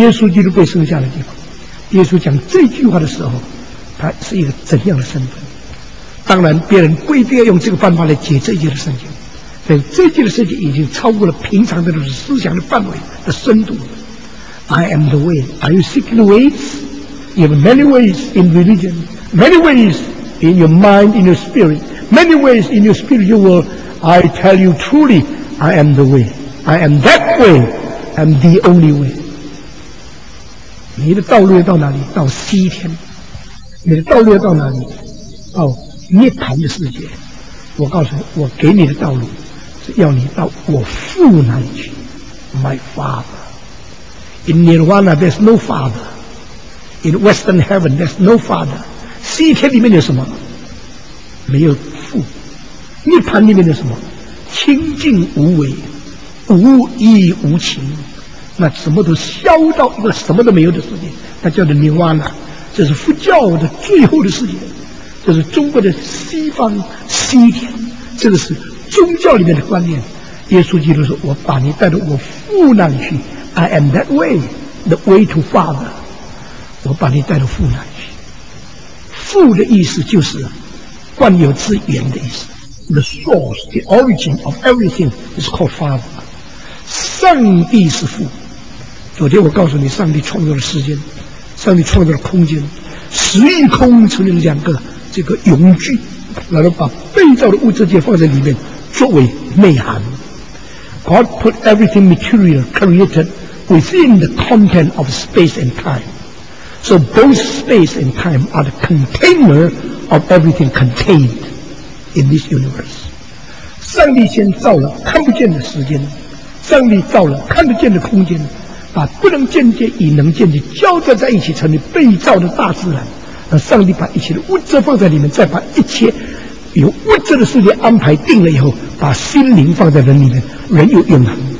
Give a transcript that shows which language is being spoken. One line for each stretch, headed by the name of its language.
Chinese: 耶稣基督被生下的地方，耶稣讲这句话的时候，他是一个怎样的身份？当然别人不一定要用这个办法来解这些的圣经，但这些的圣经已经超过了平常的思想的范围的深度。
English: I am the way. Are you seeking the ways? You have many ways in religion, many ways in your mind, in your spirit, many ways in your spiritual world. I tell you truly, I am the way. I am that way. I am the only way.
Chinese: 你的道路要到哪里？到西天。你的道路要到哪里？到涅槃的世界。我告诉你，我给你的道路是要你到我父那里去。
English: My Father. In Nirvana there's no Father. In Western Heaven there's no Father.
Chinese: 西天里面有什么？没有父。涅槃里面有什么？清净无为，无依无情，那什么都消到一个什么都没有的世界，那叫做Nirvana。这是佛教的最后的世界，这是中国的西方西天，这个是宗教里面的观念。耶稣基督说，我把你带到我父那里去。
English: I am that way, the way to Father.
Chinese: 我把你带到父那里去。父的意思就是万有之源的意思。
English: The source, the origin of everything is called Father.
Chinese: 上帝是父。昨天我告诉你，上帝创造了时间，上帝创造了空间，时与空成了两个这个永具，然后把被造的物质界放在里面作为内涵。
English: God put everything material created within the content of space and time. So both space and time are the container of everything contained in this universe.
Chinese: 上帝先造了看不见的时间，上帝造了看不见的空间，把不能间接与能间接交织在一起，成为被造的大自然。那上帝把一切的物质放在里面，再把一切有物质的世界安排定了以后，把心灵放在人里面，人有永恒。